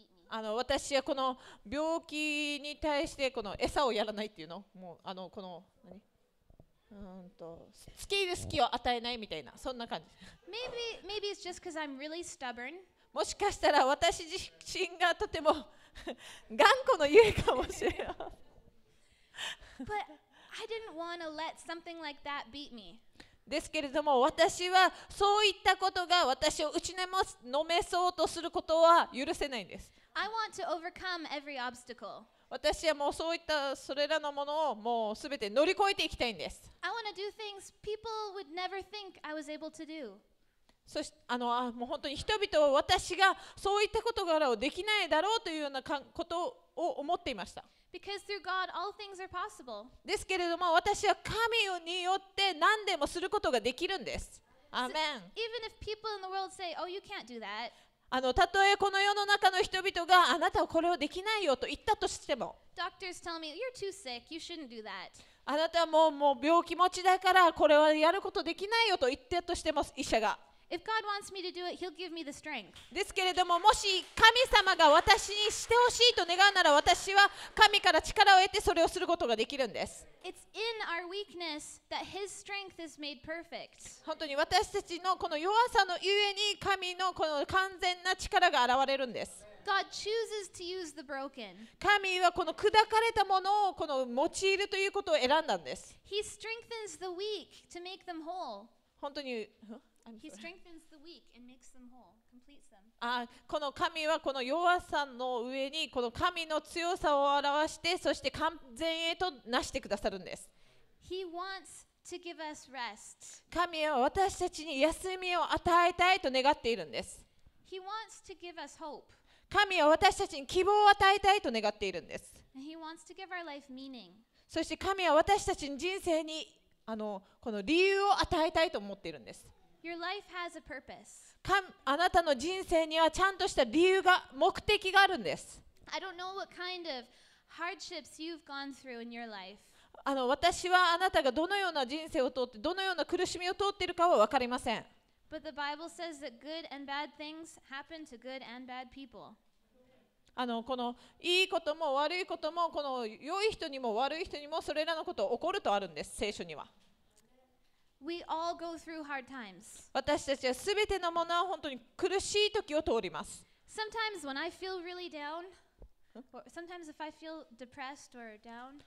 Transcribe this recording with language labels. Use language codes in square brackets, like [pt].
[ja] 私はこの病気に対してこの餌をやらないっていうの、もうこの何、つけいる隙を与えないみたいなそんな感じ。 [en] Maybe it's just because I'm really stubborn. [ja] もしかしたら私自身がとても頑固のゆえかもしれない。 [en] But I didn't want to let something like that beat me. [ja] ですけれども私はそういったことが私を打ちのめそうとすることは許せないんです。 [en] I want to overcome every obstacle. [ja] 私はもうそういったそれらのものをもうすべて乗り越えていきたいんです。 [en] I want to do things people would never think I was able to do. [ja] そしてもう本当に人々は私がそういったことからをできないだろうというようなことを思っていました。 [en] Because through God, all things are possible. [ja] ですけれども私は神によって何でもすることができるんです。アーメン。 [en] So, even if people in the world say, "Oh, you can't do that." [ja] たとえこの世の中の人々があなたはこれをできないよと言ったとしても [en] Doctors tell me, you're too sick. You shouldn't do that. [ja] あなたはもう病気持ちだからこれはやることできないよと言ったとしても医者が [en] If God wants me to do it, he'll give me the strength. [ja] ですけれどももし神様が私にしてほしいと願うなら私は神から力を得てそれをすることができるんです [en] It's in our weakness that his strength is made perfect. [ja] 本当に私たちのこの弱さのゆえに神のこの完全な力が現れるんです [en] God chooses to use the broken. [ja] 神はこの砕かれたものをこの用いるということを選んだんです [en] He strengthens the weak to make them whole. [ja] 本当に [en] He strengthens the weak and makes them whole, completes them. [ja] この神はこの弱さの上にこの神の強さを表して、そして完全へとなしてくださるんです。 [en] He wants to give us rest. [ja] 神は私たちに休みを与えたいと願っているんです。 [en] He wants to give us hope. [ja] 神は私たちに希望を与えたいと願っているんです。 [en] And he wants to give our life meaning. [ja] そして神は私たちに人生にこの理由を与えたいと思っているんです。 [en] Your life has a purpose. [ja] あなたの人生にはちゃんとした理由が目的があるんです。 [en] I don't know what kind of hardships you've gone through in your life. [ja] 私はあなたがどのような人生を通ってどのような苦しみを通っているかは分かりません。 [en] But the Bible says that good and bad things happen to good and bad people. [ja] あのこのいいことも悪いこともこの良い人にも悪い人にもそれらのこと起こるとあるんです、聖書には。 [en] We all go through hard times. [ja] 私たちは全てのものは本当に苦しい時を通ります。 [en] Sometimes when I feel really down, or sometimes if I feel depressed or down,